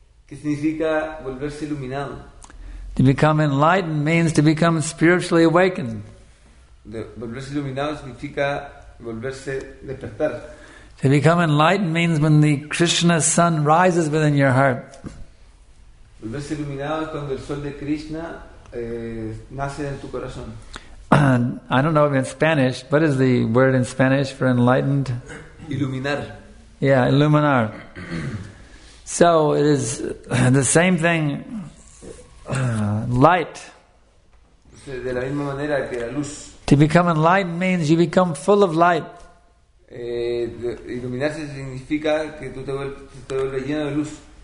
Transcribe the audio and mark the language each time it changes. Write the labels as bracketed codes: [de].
[en] To become enlightened means to become spiritually awakened. [es] Volverse iluminado significa volverse despertar. [en] To become enlightened means when the Krishna sun rises within your heart. [es] Volverse iluminado es cuando el sol de Krishna nace en tu corazón. [en] I don't know in Spanish, what is the word in Spanish for enlightened? [es] Iluminar. [en] Yeah, iluminar. So it is the same thing, light. [es] De la misma manera que la luz. [en] To become enlightened means you become full of light. [es] Iluminarse significa que tú te vuelves lleno de luz.